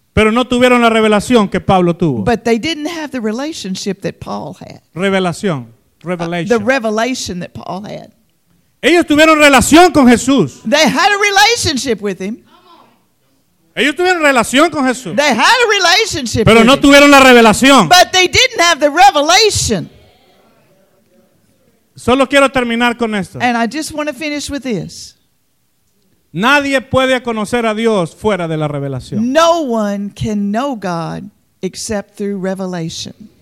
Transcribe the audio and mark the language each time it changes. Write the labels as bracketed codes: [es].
[es] Pero no tuvieron la revelación que Pablo tuvo. [en] But they didn't have the relationship that Paul had. [es] Revelación. [en] Revelation. The revelation that Paul had. [es] Ellos tuvieron relación con Jesús. [en] They had a relationship with him. [es] Ellos tuvieron relación con Jesús. [en] They had a relationship. [es] Pero [en] with [es] no tuvieron [en] him. [es] La revelación. [en] But they didn't have the revelation. [es] Solo quiero terminar con esto. [en] And I just want to finish with this. [es] Nadie puede conocer a Dios fuera de la revelación. [en] No one can know God except through revelation.